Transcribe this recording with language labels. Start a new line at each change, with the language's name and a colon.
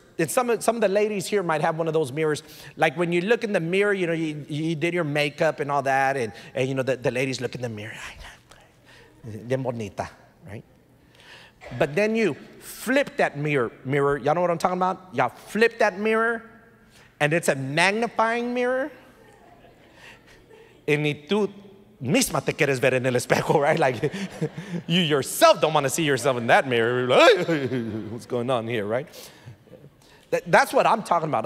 English: And some of the ladies here might have one of those mirrors. Like when you look in the mirror, you know, you did your makeup and all that. And you know, the ladies look in the mirror.
Spanish: De bonita,
English: right? But then you flip that mirror. Y'all know what I'm talking about? Y'all flip that mirror and it's a magnifying mirror. And
Spanish: tú misma te quieres ver en el espejo,
English: right? Like, you yourself don't want to see yourself in that mirror. Like, what's going on here, right? That's what I'm talking about.